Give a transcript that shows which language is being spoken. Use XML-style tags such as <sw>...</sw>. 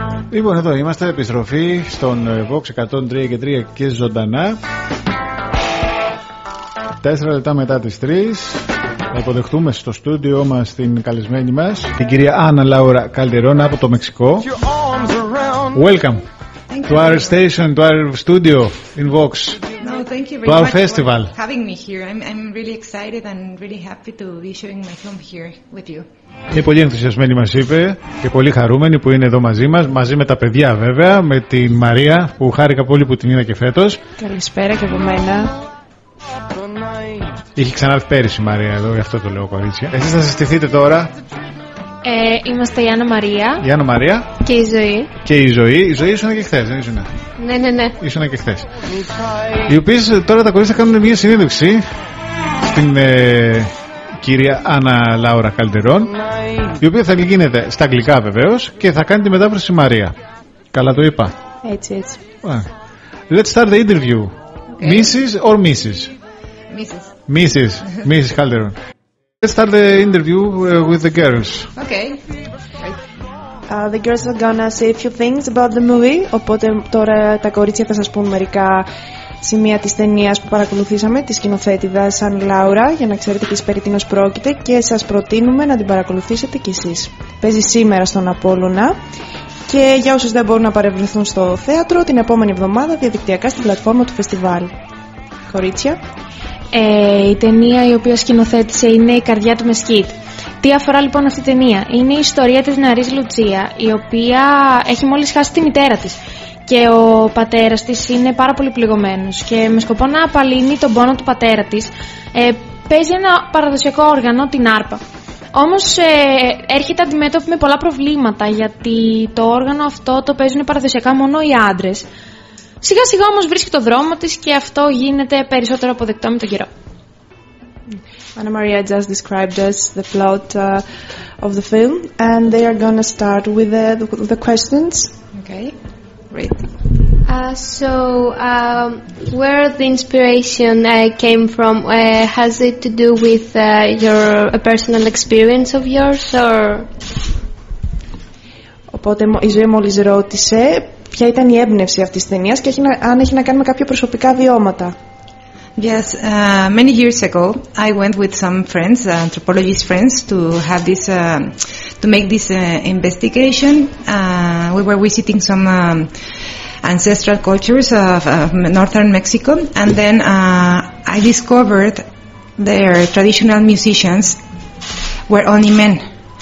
<el>Λοιπόν, εδώ είμαστε, επιστροφή στον Vox 103 και 3 και ζωντανά. 4 λεπτά μετά τις 3. Αποδεχτούμε στο στούντιο μας την καλεσμένη μας, την κυρία Άννα Λάουρα Καλτερόνα από το Μεξικό.</el> <en>Welcome to our station, to our studio in Vox. No, thank you very to our festival. Much for having me here. I'm really excited and really happy to be showing my film here with you.</en> <el>Είναι πολύ ενθουσιασμένη, μας είπε, και πολύ χαρούμενη που είναι εδώ μαζί μας, μαζί με τα παιδιά βέβαια, με την Μαρία, που χάρηκα πολύ που την είδα και φέτος. Καλησπέρα και από μένα. Είχε ξανάρθει πέρυσι η Μαρία εδώ, γι' αυτό το λέω, κορίτσια. Εσείς θα συστηθείτε τώρα. Είμαστε η Άννα Μαρία. Η Άννα Μαρία. Και η Ζωή. Και η Ζωή. Η Ζωή ήσουν και χθες, δεν ήσουν? Ναι. Ήσουν και χθες. Οι οποίες τώρα τα κορίτσια κάνουν μια συνέντευξη στην κυρία Άννα Λάουρα Καλτερόν, η οποία θα γίνεται στα αγγλικά βεβαίως και θα κάνει τη μετάφραση Μαρία. Καλά το είπα. Έτσι.</el> <en>Let's start the interview. Okay. Mrs. or Mrs. Mrs. Mrs. Mrs. Calderon. Let's start the interview with the girls. Okay. The girls are gonna say a few things about the movie.</en> <el>Οπότε τώρα τα κορίτσια θα σας πούν μερικά σημεία της ταινίας που παρακολουθήσαμε, τη σκηνοθέτηδα Άννα Λάουρα, για να ξέρετε τι περί τίνος πρόκειται, και σας προτείνουμε να την παρακολουθήσετε κι εσείς. Παίζει σήμερα στον Απόλλωνα. Και για όσους δεν μπορούν να παρευρεθούν στο θέατρο, την επόμενη εβδομάδα διαδικτυακά στην πλατφόρμα του φεστιβάλ. Κορίτσια. Η ταινία η οποία σκηνοθέτησε είναι «Η καρδιά του Μεσκίτ». Τι αφορά λοιπόν αυτή η ταινία? Είναι η ιστορία της νεαρής Λουτσία, η οποία έχει μόλις χάσει τη μητέρα της. Και ο πατέρας της είναι πάρα πολύ πληγωμένος. Και με σκοπό να απαλύνει τον πόνο του πατέρα της, παίζει ένα παραδοσιακό όργανο, την άρπα. Όμως έρχεται αντιμέτωπη με πολλά προβλήματα, γιατί το όργανο αυτό το παίζουν παραδοσιακά μόνο οι άντρες. Σιγά σιγά όμως βρίσκει το δρόμο της και αυτό γίνεται περισσότερο αποδεκτό με τον καιρό.</el> <en>Anna Maria just described us the plot of the film, and they are going to start with the questions. Okay, great. Where the inspiration came from? Has it to do with a personal experience of yours, or?</en> <el>Οπότε η Ζωή μόλις ρώτησε ποια ήταν η έμπνευση αυτής της ταινίας και αν έχει να κάνει με κάποια προσωπικά βιώματα.</el> <en>Yes, many years ago, I went with some friends, anthropologist friends, to have this, to make this investigation. We were visiting some ancestral cultures of northern Mexico, and then I discovered their traditional musicians were only men.</en>